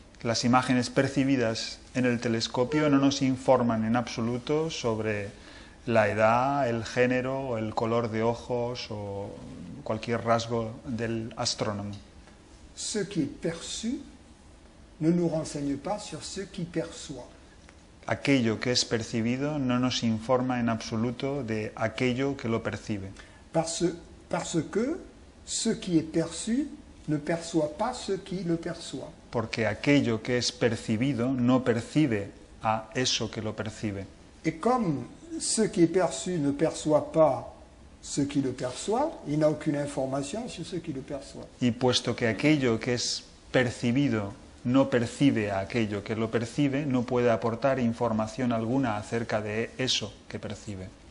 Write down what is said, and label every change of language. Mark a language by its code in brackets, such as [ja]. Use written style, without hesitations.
[es] Las imágenes percibidas en el telescopio no nos informan en absoluto sobre la edad, el género, el color de ojos o cualquier rasgo del astrónomo. [fr] Ce qui est perçu ne nous renseigne pas sur ce qui perçoit. [es] Aquello que es percibido no nos informa en absoluto de aquello que lo percibe. [fr] Parce que ce qui est perçu ne perçoit pas ce qui le perçoit. [es] Porque aquello que es percibido no percibe a eso que lo percibe. [fr] Et comme ce qui est perçu ne perçoit pas ce qui le perçoit, il n'a aucune information sur ce qui le perçoit. [es] Y puesto que aquello que es percibido no percibe a aquello que lo percibe, no puede aportar información alguna acerca de eso que percibe.